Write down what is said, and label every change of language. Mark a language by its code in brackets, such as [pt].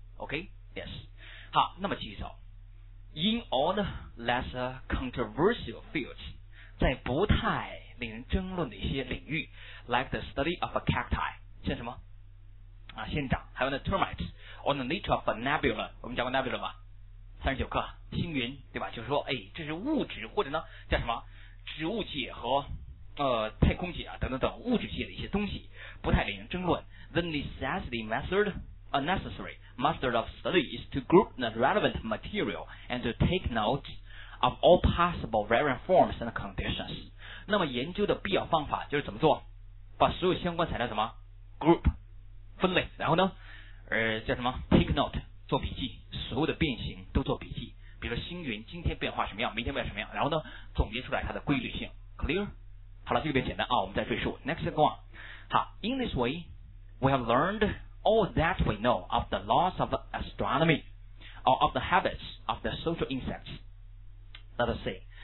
[en] OK, yes. [zh] 好，那么继续走。 [en] In all the less controversial fields, [zh] 在不太令人争论的一些领域 [en] ,like the study of a cacti, [zh] 像什么啊，仙人掌，还有那 [en] termites, or the nature of a nebula, [zh] 我们讲过 [en] nebula 吗？ [zh] 39 课星云，对吧？就是说哎，这是物质，或者呢叫什么植物界和太空界啊等等等物质界的一些东西，不太令人争论。 [en] The necessity method,necessary method of study is to group the relevant material and to take notes of all possible variant forms and conditions. [zh] 那么研究的必要方法就是怎么做？把所有相关材料怎么 group 分类，然后呢，叫什么 [en] take note [zh] 做笔记，所有的变形都做笔记。比如说星云今天变化什么样，明天变化什么样，然后呢，总结出来它的规律性。 [en] Clear？ [zh] 好了，这个比较简单啊，我们再赘述。 [en] Next go on. 好 ，In this way, we have learned. All that we know of the laws of astronomy, or of the habits of the social insects, let us see.